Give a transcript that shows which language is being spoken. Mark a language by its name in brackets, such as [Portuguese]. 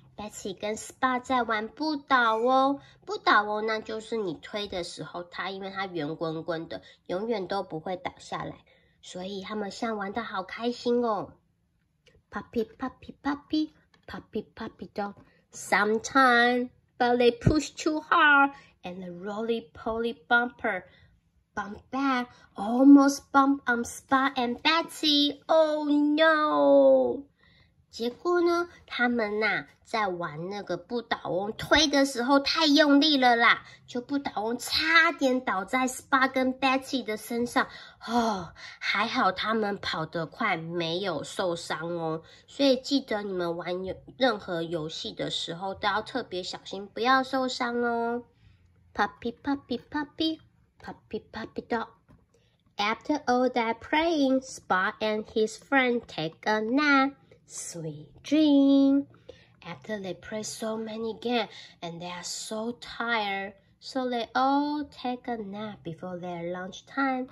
[Chinese] Betsy 跟 Spot 在玩不倒翁，不倒翁那就是你推的时候，它因为它圆滚滚的，永远都不会倒下来，所以他们像玩得好开心哦。 [English] Puppy, puppy, puppy, puppy, puppy dog. Sometimes, but they push too hard, and the roly poly bumper bump back, almost bump on Spot and Betsy. Oh no! [Chinese] 结果呢，他们呐、在玩那个不倒翁推的时候太用力了啦，就不倒翁差点倒在 Spot 跟 Betsy 的身上哦，还好他们跑得快，没有受伤哦。所以记得你们玩任何游戏的时候都要特别小心，不要受伤哦。 [English] Puppy, puppy, puppy, puppy, puppy dog. After all that praying, Spot and his friend take a nap. Sweet dream. After they play so many games and they are so tired, so they all take a nap before their lunch time.